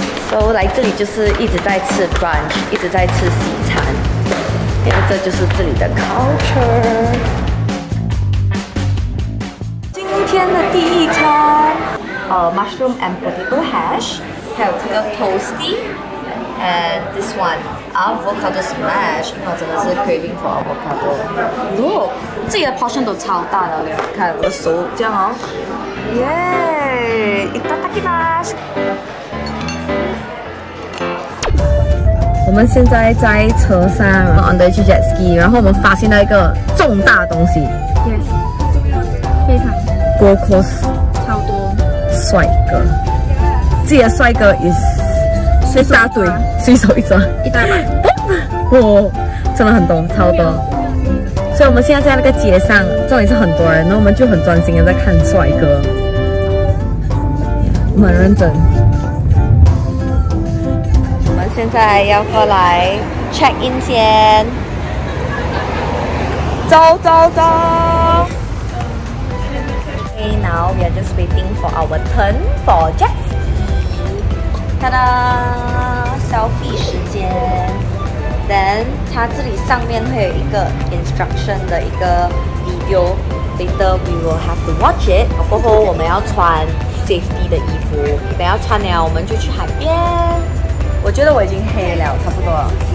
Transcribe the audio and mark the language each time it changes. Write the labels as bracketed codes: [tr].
[zh] So 来这里就是一直在吃 brunch， 一直在吃西餐，因为这就是这里的 culture。今天的第一餐，mushroom and potato hash， 还有这个 toasty。 [en] And this one, avocado smash. [zh] 我真的是 [en] craving for avocado. [zh] Look, 自己的 portion 都超大的，看我的手这样哦。 [ja] 耶，いただきます。 [zh] 我们现在在车上 ， [en] on the jet ski， [zh] 然后我们发现了一个重大东西。 [en] Yes， [zh] 非常。 [en] Gold Coast， [zh] 超多。帅哥，自己的帅哥 is。一大堆，随手一抓，一大把，哇，真的很多，超多。所以我们现在在那个街上，这里是很多人，那我们就很专心的在看帅哥，很认真。我们现在要过来 check in 先，走走走。 [en] Okay, now we are just waiting for our turn for Jack. Ta-da! [zh] Selfie 时间 Then 它这里上面会有一个 instruction 的一个 video [en] Later we will have to watch it [zh] 过后我们要穿 safety 的衣服等要穿了我们就去海边我觉得我已经黑了差不多了